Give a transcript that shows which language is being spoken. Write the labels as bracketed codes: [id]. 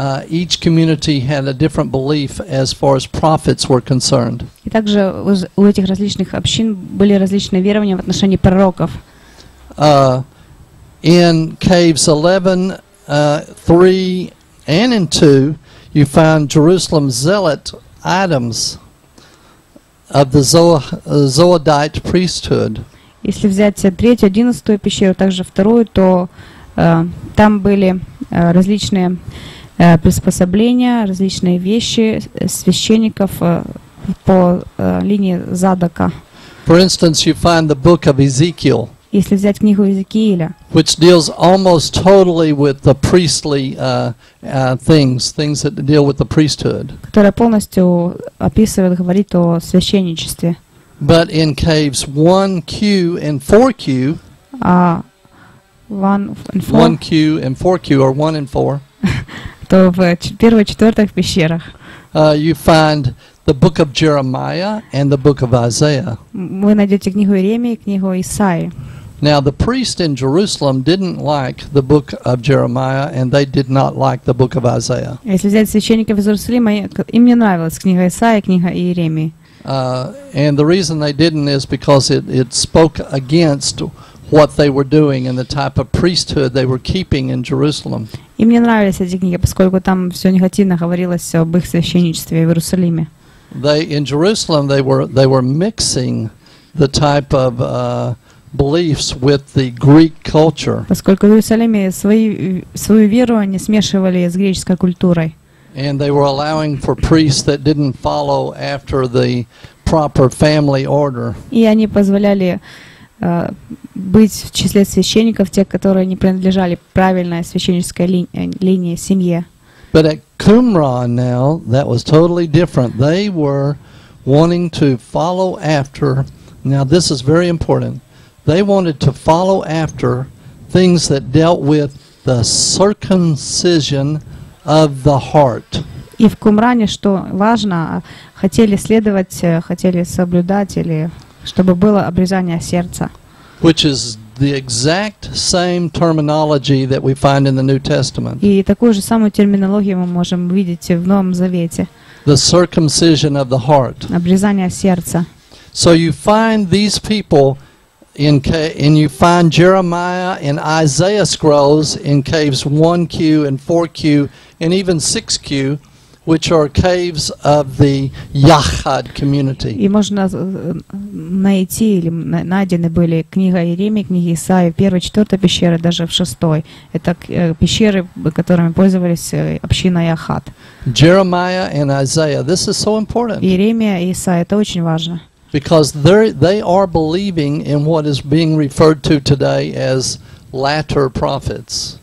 [en] Each community had a different belief as far as prophets were concerned. [ru] И также у этих различных общин были различные верования в отношении пророков. [en] In caves 11, 3, and in 2, you find Jerusalem zealot items of the Zoadite priesthood. [ru] Если взять третью, одиннадцатую пещеру, также вторую, то там были различные приспособления, различные вещи священников по линии Задока. [en] For instance, you find the book of Ezekiel. [ru] Если взять книгу Иезекииля, [en] which deals almost totally with the priestly things that deal with the priesthood. [ru] Которая полностью описывает, говорит о священничестве. [en] But in caves 1Q and 4Q, 1Q and 4Q or 1 and 4. [ru] То в первой, четвертых пещерах. [en] You find the book of Jeremiah and the book of Isaiah. [ru] Вы найдете книгу Иеремии, книгу Исаии. [en] Now the priest in Jerusalem didn't like the book of Jeremiah and they did not like the book of Isaiah. [ru] Если взять священников из Иерусалима, им не нравилась книга Исаии, книга Иеремии. [en] And the reason they didn't is because it spoke against what they were doing and the type of priesthood they were keeping in Jerusalem. [ru] Им не нравились эти книги, поскольку там все негативно говорилось об их священничестве в Иерусалиме. [en] They in Jerusalem they were mixing the type of beliefs with the Greek culture. [ru] Поскольку в Иерусалиме свои верования смешивали с греческой культурой. [en] And they were allowing for priests that didn't follow after the proper family order. [ru] И они позволяли быть в числе священников тех, которые не принадлежали правильной священнической линии семье. [en] But at Qumran now that was totally different. They were wanting to follow after. Now this is very important. They wanted to follow after things that dealt with the circumcision of the heart. [ru] и в Кумране, что важно, хотели следовать, хотели соблюдать, или чтобы было обрезание сердца. [en] Which is the exact same terminology that we find in the New Testament. [ru] И такую же самую терминологию мы можем увидеть в Новом Завете. [en] The circumcision of the heart. [ru] Обрезание сердца. [en] So you find these people in cave, and you find Jeremiah and Isaiah scrolls in caves 1Q and 4Q and even 6Q, which are caves of the Yahad community. [ru] И можно найти или найдены были книга Иеремии, книги Исаии, первая, четвертая пещера, даже в шестой. Это пещеры, которыми пользовались община Яхад. [en] Jeremiah and Isaiah. This is so important. [ru] Иеремия и Исаия, это очень важно. [en] Because they are believing in what is being referred to today as latter prophets.